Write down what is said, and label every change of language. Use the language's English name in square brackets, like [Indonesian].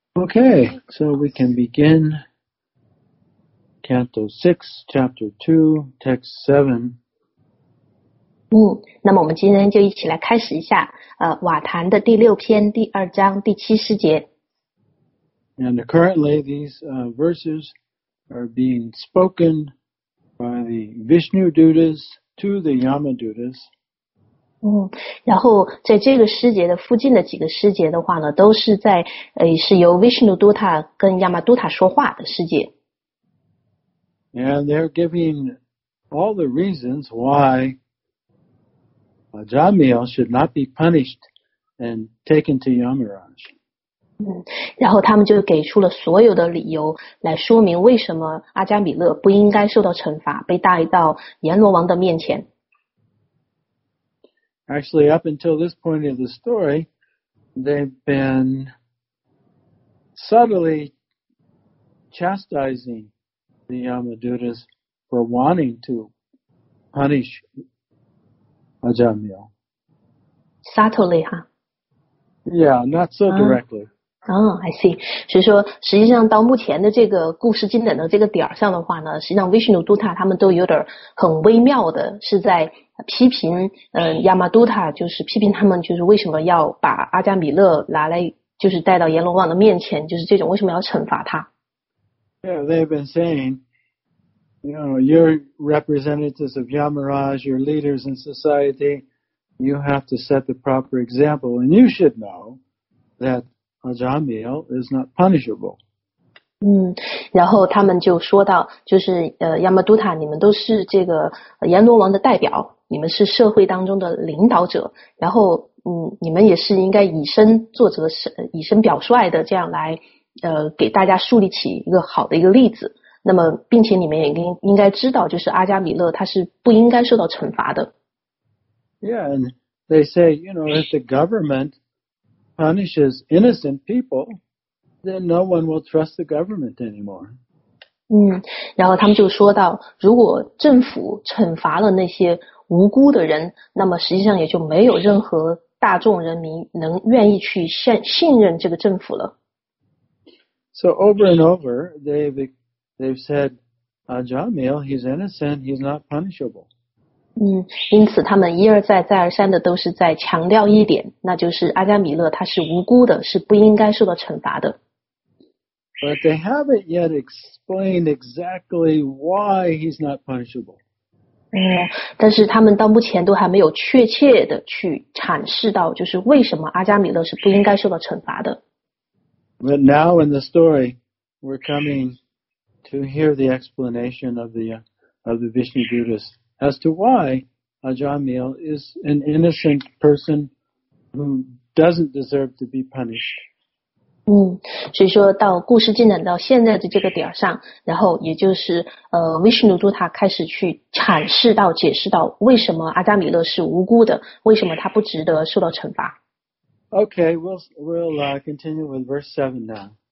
[English] Okay, so we can begin. Canto 6, Chapter 2, Text 7. [Chinese] 那么我们今天就一起来开始一下瓦坛的第六篇第二章第七诗节。 [English] And currently these verses are being spoken by the Vishnu Dutas to the Yama Dutas. [Chinese] 然后在这个诗节的附近的几个诗节的话呢，都是在是由 Vishnu Duta 跟 Yama Duta 说话的诗节。 [English] And they're giving all the reasons why Ajamil should not be punished and taken to Yamaraj. [Chinese] 然后他们就给出了所有的理由来说明为什么阿加米勒不应该受到惩罚，被带到阎罗王的面前。 [English] Actually, up until this point of the story, they've been subtly chastisingThe Yamadutas for wanting to punish Ajamil. Subtly, huh? Yeah, not so directly. 啊，I see。 [Chinese] 所以说，实际上到目前的这个故事进展到这个点儿上的话呢，实际上 Vishnu Dutta 他们都有点很微妙的，是在批评Yamadutta，就是批评他们，就是为什么要把阿伽弥勒拿来，就是带到阎罗王的面前，就是这种为什么要惩罚他？ [English] Yeah, they've been saying, you know, you're representatives of Yamaraj, you're leaders in society, you have to set the proper example, and you should know that Ajamil is not punishable. [Chinese] 然后他们就说到，就是Yamadutta，你们都是这个阎罗王的代表，你们是社会当中的领导者，然后你们也是应该以身作则，是以身表率的，这样来给大家树立起一个好的一个例子。那么，并且你们也应该知道，就是阿伽弥勒他是不应该受到惩罚的。 [English] Yeah, and they say, you know, if the government punishes innocent people, then no one will trust the government anymore. [Chinese] 然后他们就说到，如果政府惩罚了那些无辜的人，那么实际上也就没有任何大众人民能愿意去信任这个政府了。 [English] So over and over, they've said, Ajamil, he's innocent, he's not punishable. [Chinese] 因此他们一而再、再而三的都是在强调一点，那就是阿伽弥勒他是无辜的，是不应该受到惩罚的。 [English] But they haven't yet explained exactly why he's not punishable. [Chinese] 但是他们到目前都还没有确切的去阐释到，就是为什么阿伽弥勒是不应该受到惩罚的。 [English] But now in the story, we're coming to hear the explanation of the Vishnu Buddhas as to why Ajamil is an innocent person who doesn't deserve to be punished. [Chinese] 所以说到故事进展到现在的这个点上，然后也就是Vishnu Dutta 开始去阐释到、解释到为什么阿伽弥勒是无辜的，为什么他不值得受到惩罚。 [English] Okay, we'll continue with verse 7 now.